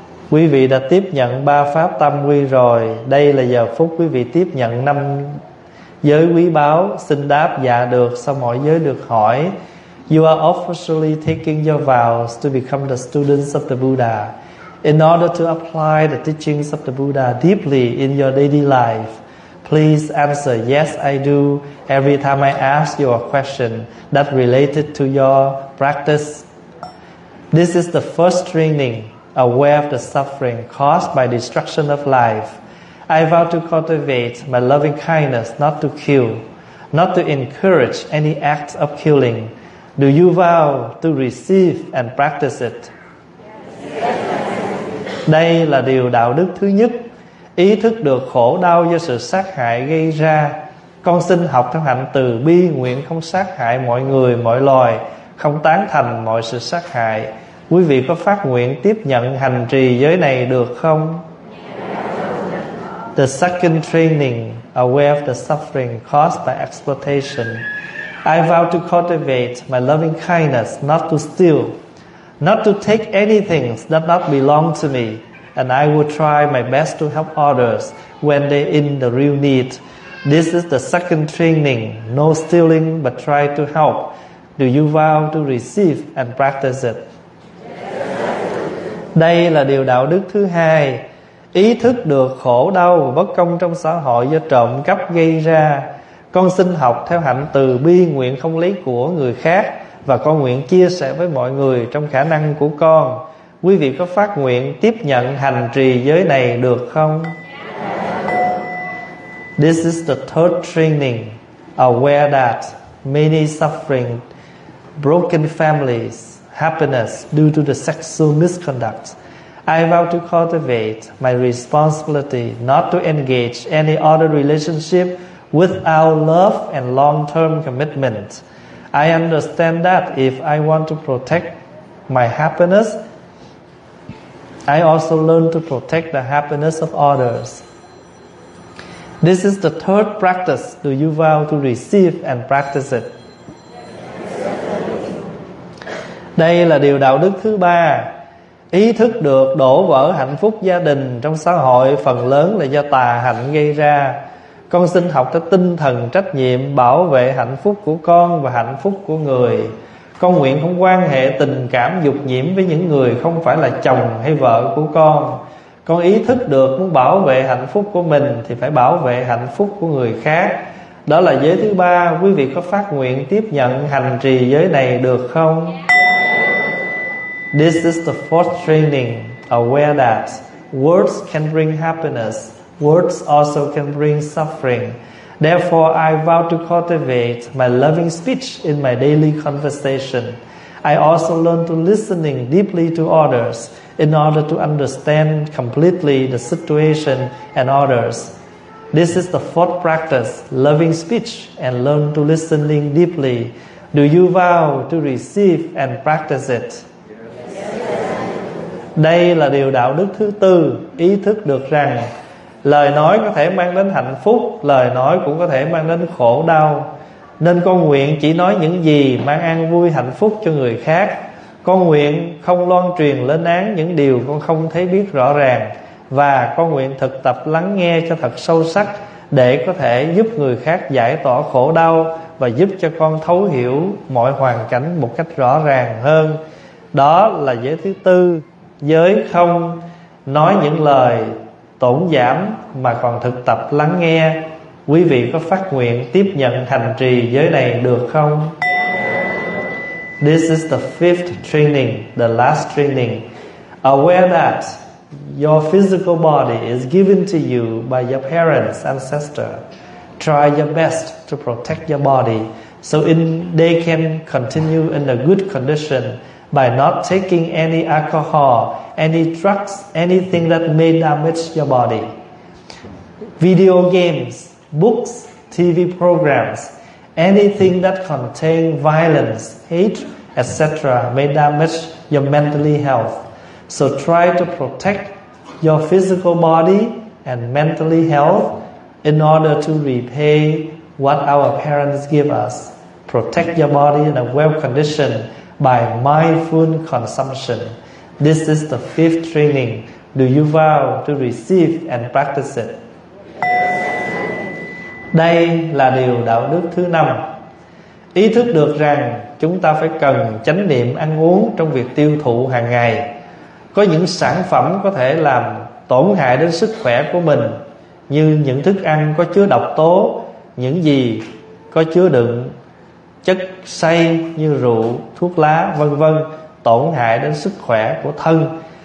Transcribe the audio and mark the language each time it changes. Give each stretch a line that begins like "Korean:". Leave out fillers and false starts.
Vietnamese: Quý vị đã tiếp nhận ba pháp tam quy rồi, đây là giờ phút quý vị tiếp nhận năm giới quý báu, xin đáp dạ được sau mỗi giới được hỏi.
English: You are officially taking your vows to become the students of the Buddha. In order to apply the teachings of the Buddha deeply in your daily life, please answer yes I do every time I ask you a question that related to your practice. This is the first training aware of the suffering caused by destruction of life. I vow to cultivate my loving kindness, not to kill, not to encourage any act of killing. Do you vow to receive and practice it?
Vietnamese: Đây là điều đạo đức thứ nhất. Ý thức được khổ đau do sự sát hại gây ra, con xin học theo hạnh từ bi, nguyện không sát hại mọi người, mọi loài, không tán thành mọi sự sát hại. Quý vị có phát nguyện tiếp nhận hành trì giới này được không?
English: The second training, aware of the suffering caused by exploitation. I vow to cultivate my loving kindness, not to steal, not to take anything that not belong to me, and I will try my best to help others when they in the real need. This is the second training, no stealing but try to help. Do you vow to receive and practice it?
Vietnamese: Đây là điều đạo đức thứ hai. Ý thức được khổ đau và bất công trong xã hội do trộm cắp gây ra, con xin học theo hạnh từ bi, nguyện không lấy của người khác, và con nguyện chia sẻ với mọi người trong khả năng của con. Quý vị có phát nguyện tiếp nhận hành trì giới này được không?
English: This is the third training, aware that many suffering, broken families, happiness due to the sexual misconduct. I vow to cultivate my responsibility not to engage any other relationship without love and long-term commitment. I understand that if I want to protect my happiness, I also learn to protect the happiness of others. This is the third practice. Do you vow to receive and practice it?
Vietnamese: Đây là điều đạo đức thứ ba. Ý thức được đổ vỡ hạnh phúc gia đình trong xã hội phần lớn là do tà hạnh gây ra, con xin học tới tinh thần trách nhiệm bảo vệ hạnh phúc của con và hạnh phúc của người. Con nguyện không quan hệ tình cảm dục nhiễm với những người không phải là chồng hay vợ của con. Con ý thức được muốn bảo vệ hạnh phúc của mình thì phải bảo vệ hạnh phúc của người khác. Đó là giới thứ ba. Quý vị có phát nguyện tiếp nhận hành trì giới này được không?
English: This is the fourth training, aware that words can bring happiness, words also can bring suffering. Therefore, I vow to cultivate my loving speech in my daily conversation. I also learn to listening deeply to others in order to understand completely the situation and others. This is the fourth practice, loving speech, and learn to listening deeply. Do you vow to receive and practice it?
Vietnamese: Đây là điều đạo đức thứ tư, ý thức được rằng lời nói có thể mang đến hạnh phúc, lời nói cũng có thể mang đến khổ đau. Nên con nguyện chỉ nói những gì mang an vui hạnh phúc cho người khác. Con nguyện không loan truyền lên án những điều con không thấy biết rõ ràng. Và con nguyện thực tập lắng nghe cho thật sâu sắc để có thể giúp người khác giải tỏa khổ đau và giúp cho con thấu hiểu mọi hoàn cảnh một cách rõ ràng hơn. Đó là giới thứ tư, giới không nói những lời tổn giảm mà còn thực tập lắng nghe. Quý vị có phát nguyện tiếp nhận hành trì giới này được không?
English: This is the fifth training, the last training. Aware that your physical body is given to you by your parents, ancestor. Try your best to protect your body so they can continue in a good condition by not taking any alcohol, any drugs, anything that may damage your body. Video games, books, TV programs, anything that contain violence, hate, etc. may damage your mentally health. So try to protect your physical body and mentally health in order to repay what our parents give us. Protect your body in a well condition by mindful consumption. This is the fifth training. Do you vow to receive and practice it?
Vietnamese: Đây là điều đạo đức thứ năm. Ý thức được rằng chúng ta phải cần chánh niệm ăn uống trong việc tiêu thụ hàng ngày. Có những sản phẩm có thể làm tổn hại đến sức khỏe của mình, như những thức ăn có chứa độc tố, những gì có chứa đựng chất say như rượu, thuốc lá, vân vân, tổn hại đến sức khỏe của thân.